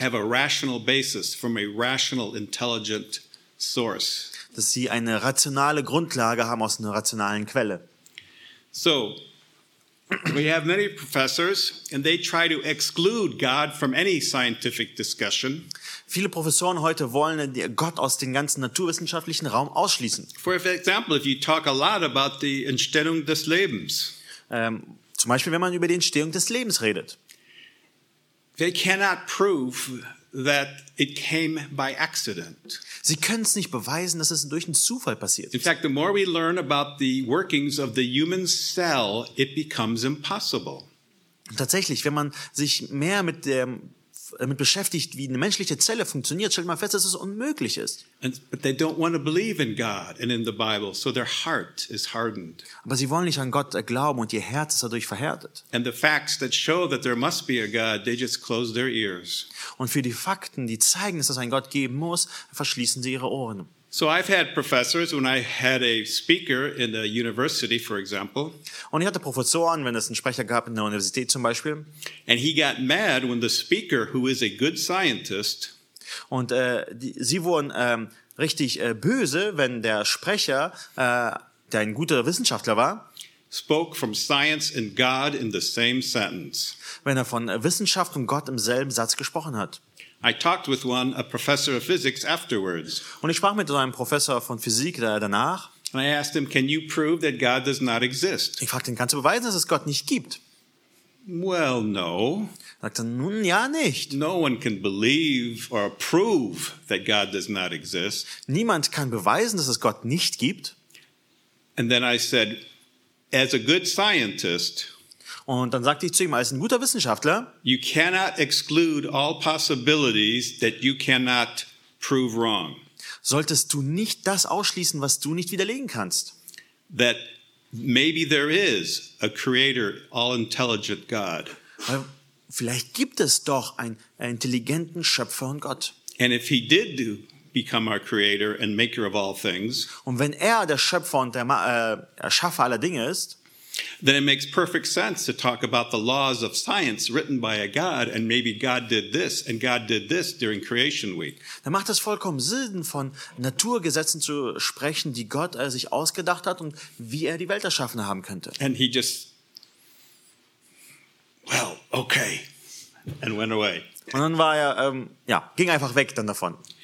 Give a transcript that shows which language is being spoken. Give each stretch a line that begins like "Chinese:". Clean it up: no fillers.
English: Have a rational basis from a rational intelligent source.
German: Dass sie eine rationale Grundlage haben aus einer rationalen Quelle.
English: So, we have many professors, and they try to exclude God from any scientific discussion.
German: Viele Professoren heute wollen Gott aus dem ganzen naturwissenschaftlichen Raum ausschließen.
English: For example, if you talk a lot about the
German: Entstehung des Lebens. Zum Beispiel, wenn man über die Entstehung des Lebens redet.
English: They cannot prove that it came by accident.
German: Sie können es nicht beweisen, dass es durch einen Zufall passiert.
English: In fact, the more we learn about the workings of the human cell, it becomes impossible.
German: Tatsächlich, wenn man sich mehr mit damit beschäftigt, wie eine menschliche Zelle funktioniert, stellt man fest, dass es unmöglich ist.
English: But they don't want to believe in God and in the Bible, so their heart is hardened.
German: Aber sie wollen nicht an Gott glauben und ihr Herz ist dadurch verhärtet.
English: And the facts that show that there must be a God, they just close their ears.
German: Und für die Fakten, die zeigen, dass es einen Gott geben muss, verschließen sie ihre Ohren.
English: So I've had professors when I had a speaker in a university, for example.
German: Und ich hatte Professoren, wenn es einen Sprecher gab in der Universität zum Beispiel.
English: And he got mad when the speaker, who is a good scientist,
German: und sie wurden richtig böse, wenn der Sprecher, der ein guter Wissenschaftler war,
English: spoke from science and God in the same sentence.
German: Wenn er von Wissenschaft und Gott im selben Satz gesprochen hat.
English: I talked with one, a professor of physics, afterwards.
German: Und ich sprach mit einem Professor von Physik danach.
English: And I asked him, "Can you prove that God does not exist?"
German: Ich fragte ihn, kannst du beweisen, dass es Gott nicht gibt?
English: Well, no.
German: Sagte nun ja nicht.
English: No one can believe or prove that God does not exist.
German: Niemand kann beweisen, dass es Gott nicht gibt.
English: And then I said, as a good scientist.
German: Und dann sagte ich zu ihm, als ein guter Wissenschaftler,
English: you cannot exclude all possibilities that you cannot prove wrong.
German: Solltest du nicht das ausschließen, was du nicht widerlegen kannst?
English: That maybe there is a creator, all intelligent God.
German: Weil vielleicht gibt es doch einen intelligenten Schöpfer und Gott.
English: And if he did become our creator and maker of all things,
German: und wenn er der Schöpfer und der Erschaffer aller Dinge ist,
English: then it makes perfect sense to talk about the laws of science written by a God, and maybe God did this and God did this during creation week.
German: Dann macht es vollkommen Sinn, von Naturgesetzen zu sprechen, die Gott sich ausgedacht hat und wie er die Welt erschaffen haben könnte.
English: And he just, well, okay, and went away.
German: Und dann war er, ging einfach weg dann davon.